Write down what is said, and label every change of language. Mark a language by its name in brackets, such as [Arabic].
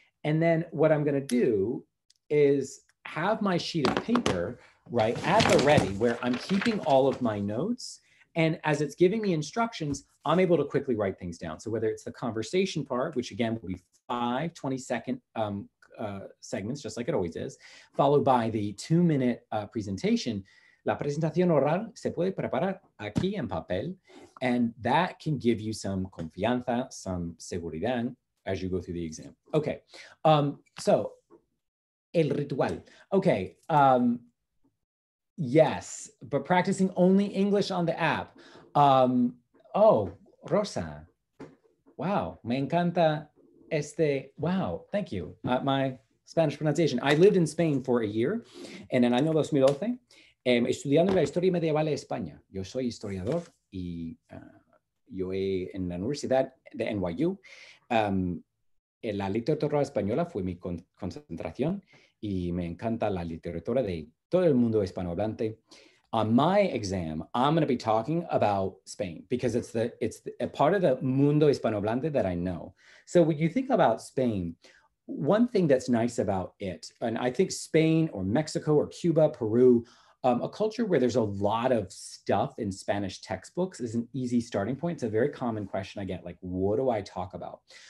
[English] And then what I'm gonna do is have my sheet of paper right at the ready where I'm keeping all of my notes. And as it's giving me instructions, I'm able to quickly write things down. So whether it's the conversation part, which again will be 5 20-second segments, just like it always is, followed by the 2-minute presentation. [Spanish] La presentación oral se puede preparar aquí en papel. [English] And that can give you some [Spanish] confianza, [English] some [Spanish] seguridad [English] as you go through the exam. Okay, so [Spanish] el ritual. [English] Okay. Yes, but practicing only English on the app. [Spanish] Oh, Rosa. Wow, me encanta este, wow, [English] thank you. My Spanish pronunciation. I lived in Spain for a year in [Spanish] el año 2012, estudiando la historia medieval de España. Yo soy historiador y yo he en la Universidad de NYU. La literatura española fue mi concentración y me encanta la literatura de todo el mundo hispanohablante. [English] On my exam, I'm going to be talking about Spain because it's a part of the [Spanish] mundo hispanohablante [English] that I know. So when you think about Spain, one thing that's nice about it, and I think Spain or Mexico or Cuba, Peru, a culture where there's a lot of stuff in Spanish textbooks is an easy starting point. It's a very common question I get, like, what do I talk about?